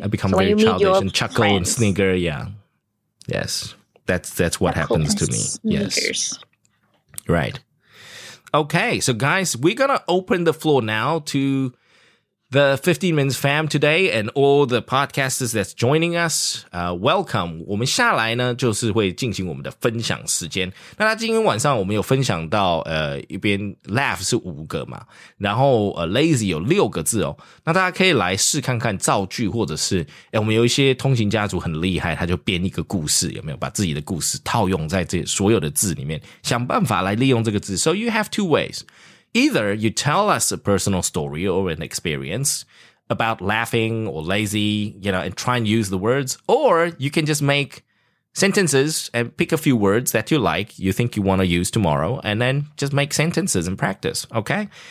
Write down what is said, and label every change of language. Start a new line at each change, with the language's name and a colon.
English: I become so very childish and chuckle、friends. And snigger. Yeah. Yes. That's what happens to me. Yes. Right. Okay. So, guys, we're going to open the floor now to the 15 Minutes fam today and all the podcasters that's joining us. Welcome.
Chinese: 我们下来呢就是会进行我们的分享时间。那今天晚上我们有分享到一边 laugh 是五个嘛。然后lazy 有六个字哦。那大家可以来试看看造句，或者是我们有一些通行家族很厉害，他就编一个故事，有没有把自己的故事套用在这所有的字里面，想办法来利用这个字。
English: So you have two ways. Either you tell us a personal story or an experience about laughing or lazy, you know, and try and use the words. Or you can just make sentences and pick a few words that you like, you think you want to use tomorrow, and then just make sentences and practice, okay?